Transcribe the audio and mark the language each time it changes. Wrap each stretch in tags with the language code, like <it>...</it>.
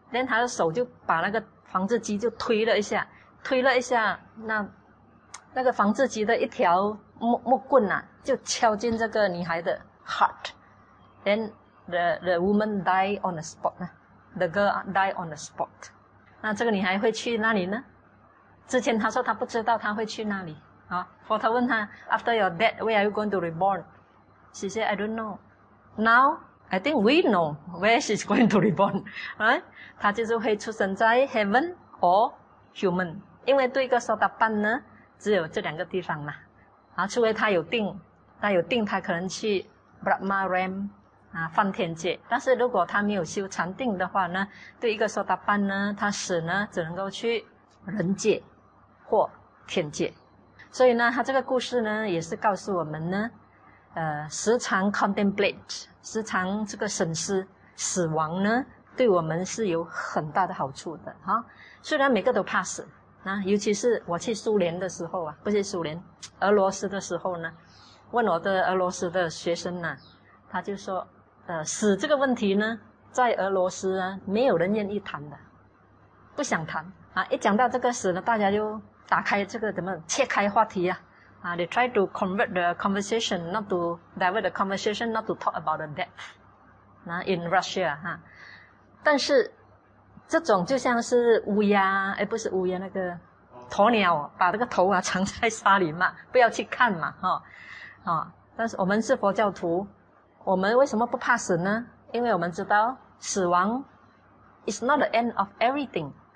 <zh>Then 他的手就把那个防治机就推了一下，推了一下，那个防治机的一条木棍啊，就敲进这个女孩的 heart.</zh> <en>Then the woman died on the spot. The girl died on the spot.</en> <zh>那这个女孩会去那里呢？之前他说他不知道他会去那里。啊，佛陀问他</zh> <en>，After your death, where are you going to reborn? She said, I don't know. Now. I think we know where she's going to reborn, right?</en> <zh>她就是会出生在</zh> <en>heaven or human.</en> <zh>因为对一个娑达班呢，只有这两个地方嘛。啊，除非她有定，她可能去 Brahma realm, 啊，梵天界。但是如果她没有修禅定的话呢，对一个娑达班呢，她死呢只能够去人界或天界。所以呢，她这个故事呢，也是告诉我们呢，时常 contemplate。时常这个审视死亡呢，对我们是有很大的好处的哈。虽然每个都怕死，那尤其是我去苏联的时候啊，不是苏联，俄罗斯的时候呢，问我的俄罗斯的学生呢，他就说，死这个问题呢，在俄罗斯啊，没有人愿意谈的，不想谈啊。一讲到这个死呢，大家就打开这个怎么切开话题啊。</zh> <en>They try to convert the conversation, not to divert the conversation, not to talk about the death. In Russia,</en> <zh>但是这种就像是乌鸦，不是乌鸦，那个鸵鸟，把这个头啊藏在沙里嘛，不要去看嘛，但是我们是佛教徒，我们为什么不怕死呢？因为我们知道死亡</zh> <en>is not the end of everything.</en>